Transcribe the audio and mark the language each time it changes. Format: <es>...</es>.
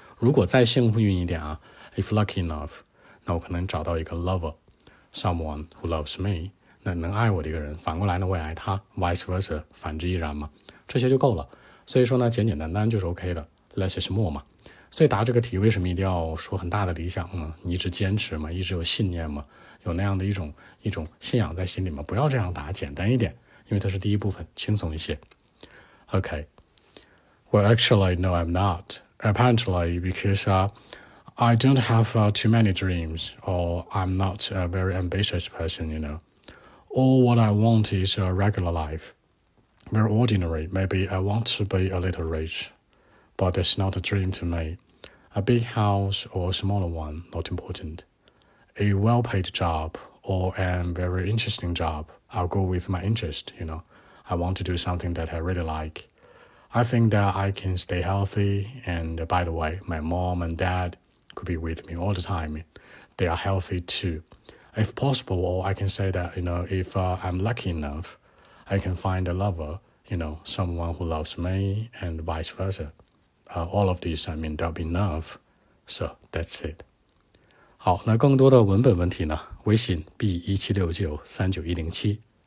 <zh>如果再幸运一点啊，</zh> <en>if lucky enough，</en> <zh>那我可能找到一个 lover，</zh> <en>someone who loves me，</en> <zh>那能爱我的一个人，反过来呢我也爱他，</zh> <en>vice versa，</en> <zh>反之亦然嘛，这些就够了。所以说呢，简简单单就是 OK 的，</zh> <en>less is more</en> <zh>嘛。所以答这个题为什么一定要说很大的理想呢？你一直坚持嘛，一直有信念嘛，有那样的一种信仰在心里嘛，不要这样答，简单一点，因为它是第一部分，轻松一些。</zh> <en>OK， Well actually no I'm not apparently because I don't have too many dreams or I'm not a very ambitious person, you know. All what I want is a regular life, very ordinary. Maybe I want to be a little richBut it's not a dream to me. A big house or a smaller one, not important. A well-paid job or a very interesting job, I'll go with my interest, you know. I want to do something that I really like. I think that I can stay healthy. And by the way, my mom and dad could be with me all the time. They are healthy too. If possible, or I can say that, you know, if I'm lucky enough, I can find a lover, you know, someone who loves me and vice versa. All of these, I mean, they'll be enough. So, that's it.</en> <zh>好，那更多的文本问题呢，微信 B1769-39107。</zh>